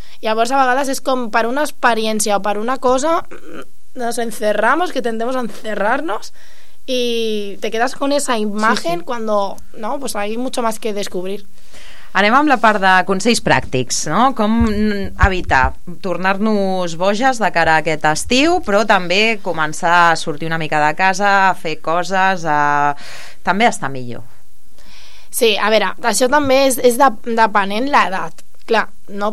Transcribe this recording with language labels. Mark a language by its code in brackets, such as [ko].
[ca] Llavors, a vegades és com per una experiència o per una cosa [es] nos encerramos, que tendemos a encerrarnos [ca] i [es] te quedas con esa imagen, sí, sí, cuando no, pues hay mucho más que descubrir. [ca] Anem amb la part de consells pràctics, no? Com evitar tornar-nos boges de cara a aquest estiu, però també començar a sortir una mica de casa, a fer coses, a també estar millor. Sí, a veure, això també és depenent l'edat. Clar, no?